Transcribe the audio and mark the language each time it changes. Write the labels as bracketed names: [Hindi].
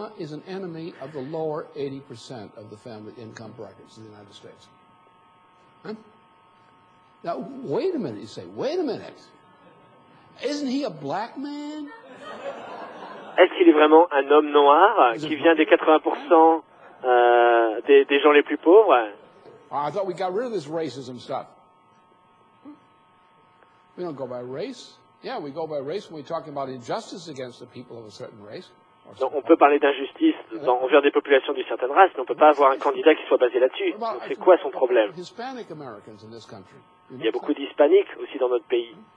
[French] Est-ce qu'il est vraiment un homme noir qui vient des 80% des gens les plus pauvres? [English] I thought we got rid of this racism stuff. We don't go by race. Yeah, we go by race when we're talking about injustice against the people of a certain race. [French] Donc on peut parler d'injustice envers des populations d'une certaine race, mais on ne peut pas avoir un candidat qui soit basé là-dessus. Donc c'est quoi son problème? Il y a beaucoup d'hispaniques aussi dans notre pays.